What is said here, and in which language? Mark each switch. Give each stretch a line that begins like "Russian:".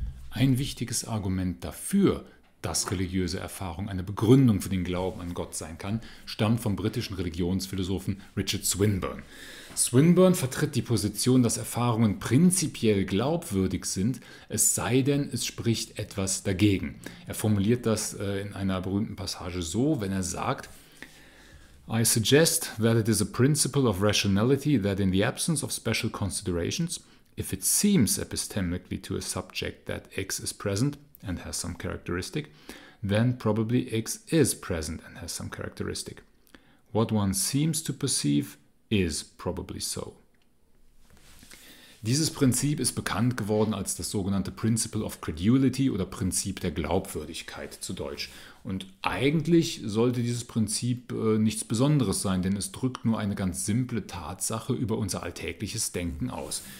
German: Ein wichtiges Argument dafür, dass religiöse Erfahrung eine Begründung für den Glauben an Gott sein kann, stammt vom britischen Religionsphilosophen Richard Swinburne. Swinburne vertritt die Position, dass Erfahrungen prinzipiell glaubwürdig sind, es sei denn, es spricht etwas dagegen. Er formuliert das in einer berühmten Passage so, wenn er sagt:
English: I suggest that it is a principle of rationality that in the absence of special considerations, if it seems epistemically to a subject that X is present and has some characteristic, then probably X is present and has some characteristic. What one seems to perceive is probably so.
German: Dieses Prinzip ist bekannt geworden als das sogenannte Principle of Credulity oder Prinzip der Glaubwürdigkeit zu Deutsch. Und eigentlich sollte dieses Prinzip nichts Besonderes sein, denn es drückt nur eine ganz simple Tatsache über unser alltägliches Denken aus.